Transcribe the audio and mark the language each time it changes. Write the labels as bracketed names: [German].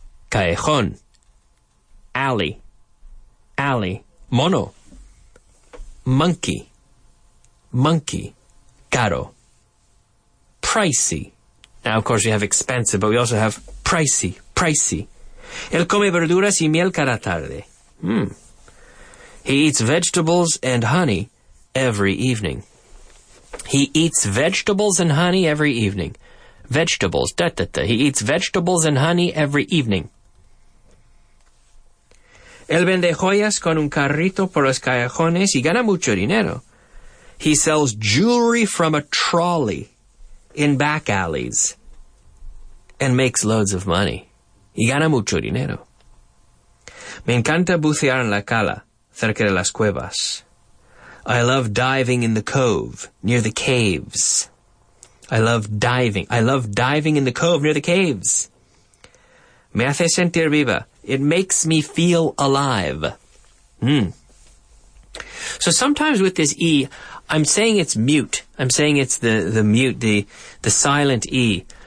[English] Callejón. Alley. Alley. Mono. Monkey. Monkey. Caro. Pricey. Now, of course, we have expensive, but we also have pricey. Pricey. [Spanish] Él come verduras y miel cada tarde. Hmm. [English] He eats vegetables and honey every evening. He eats vegetables and honey every evening. Vegetables. Da, da, da. He eats vegetables and honey every evening. [Spanish] Él vende joyas con un carrito por los callejones y gana mucho dinero. [English] He sells jewelry from a trolley in back alleys and makes loads of money. [Spanish] Y gana mucho dinero. Me encanta bucear en la cala, cerca de las cuevas. [English] I love diving in the cove, near the caves. I love diving. I love diving in the cove, near the caves. [Spanish] Me hace sentir viva. [English] It makes me feel alive. Hmm. So sometimes with this E, I'm saying it's mute. I'm saying it's the mute, the silent E.